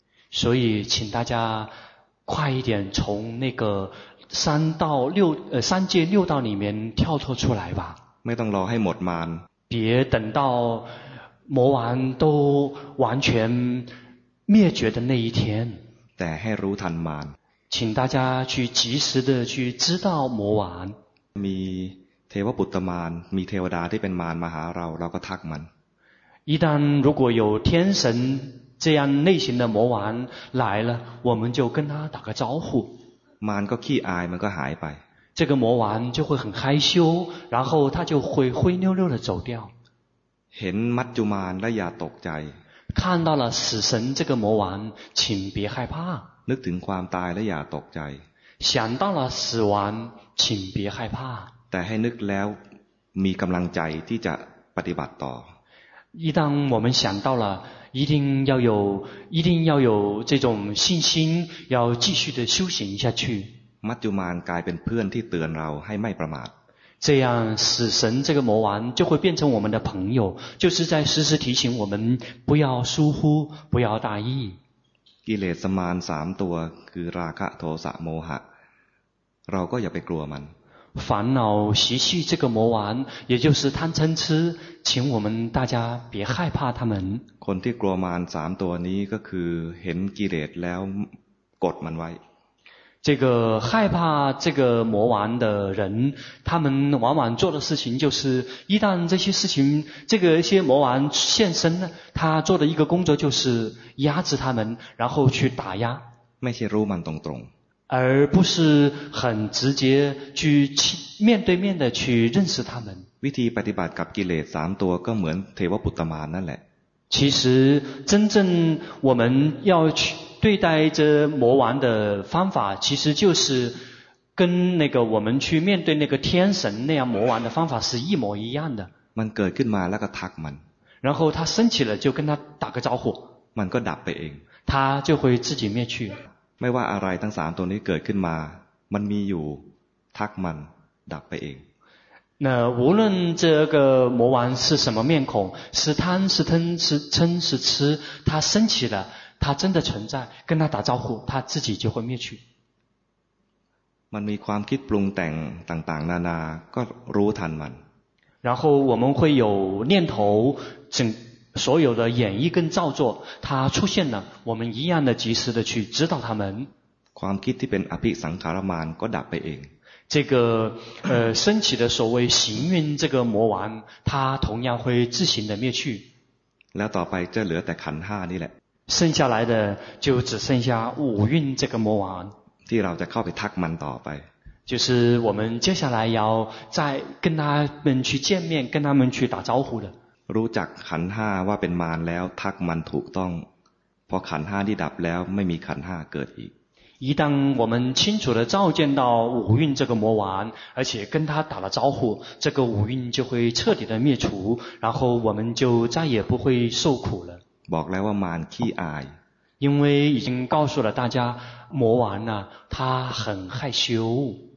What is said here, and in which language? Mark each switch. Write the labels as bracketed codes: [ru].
[zh] 所以请大家快一点从那个三到六三界六道里面跳脱出来吧 [th] ไม่ต้องรอให้หมดมาร [zh] 别等到魔王都完全灭绝的那一天 [th] แต่ให้รู้ทันมาร [zh] 请大家去及时的去知道魔王 [th] มีเทวปุตตมารมีเทวดาที่เป็นมารมาหาเราก็ทักมัน [zh] 一旦如果有天神这样类型的魔王来了我们就跟他打个招呼 [th] มันก็ขี้อายมันก็หายไป [zh] 这个魔王就会很害羞然后他就会灰溜溜的走掉 [th] เห็นมัจจุมานและอย่าตกใจ [zh] 看到了死神这个魔王请别害怕 [th] นึกถึงความตายและอย่าตกใจ [zh] 想到了死亡请别害怕 [th] แต่ให้นึกแล้วมีกำลังใจที่จะปฏิบัติต่อ [zh] 一旦我们想到了一定要有这种信心要继续的修行下去 [th] มัจจุมานกลายเป็นเพื่อนที่เตือนเราให้ไม่ประมาท [zh] 这样死神这个魔王就会变成我们的朋友就是在时时提醒我们不要疏忽不要大意 [th] กิเลสมาร3ตัวคือราคะโทสะโมหะเราก็อย่าไปกลัวมัน [zh] 烦恼习气这个魔王也就是贪嗔痴请我们大家别害怕他们 [th] คนที่กลัวมาร3ตัวนี้ก็คือเห็นกิเลสแล้วกดมันไว้ [zh] 这个害怕这个魔王的人他们往往做的事情就是一旦这些事情这个一些魔王现身他做的一个工作就是压制他们然后去打压 [th] ไม่ใช่รู้มันตรงๆ [zh] 而不是很直接去面对面的去认识他们 [th] วิธีปฏิบัติกับกิเลส3ตัวก็เหมือนเทวปุตตมานั่นแหละ [zh] 其实真正我们要去对待这魔王的方法其实就是跟那个我们去面对那个天神那样魔王的方法是一模一样的 [th] มันเกิดขึ้นมาแล้วก็ทักมัน [zh] 然后他升起了就跟他打个招呼 [th] มันก็ดับไปเอง [zh] 他就会自己灭去 [th] ไม่ว่าอะไรทั้ง3ตัวนี้เกิดขึ้นมามันมีอยู่ทักมันดับไปเอง [zh] 那无论这个魔王是什么面孔是贪是嗔是嗔是痴他升起了他真的存在跟他打招呼他自己就会灭去 [th] มันมีความคิดปรุงแต่งต่างๆนานาก็รู้ทันมัน [zh] 然后我们会有念头整所有的演绎跟造作它出现了我们一样的及时的去知道它们 [th] ความคิดที่เป็นอภิสังขารมารก็ดับไปเอง [zh] 这个升起的所谓行运这个魔王它同样会自行的灭去 [th] แล้วต่อไปจะเหลือแต่ขันธ์5นี่แหละ [zh] 剩下来的就只剩下五蕴这个魔王 [th] ที่เราจะเข้าไปทักมันต่อไป [zh] 就是我们接下来要再跟他们去见面跟他们去打招呼的 [th] รู้จักขันธ์5ว่าเป็นมารแล้วทักมันถูกต้องพอขันธ์5ที่ดับแล้วไม่มีขันธ์5เกิดอีก [zh] 一旦我们清楚的照见到五蕴这个魔王而且跟他打了招呼这个五蕴就会彻底的灭除然后我们就再也不会受苦了 [th] บอกแล้วว่ามารขี้อาย [zh] 因为已经告诉了大家魔王呢他很害羞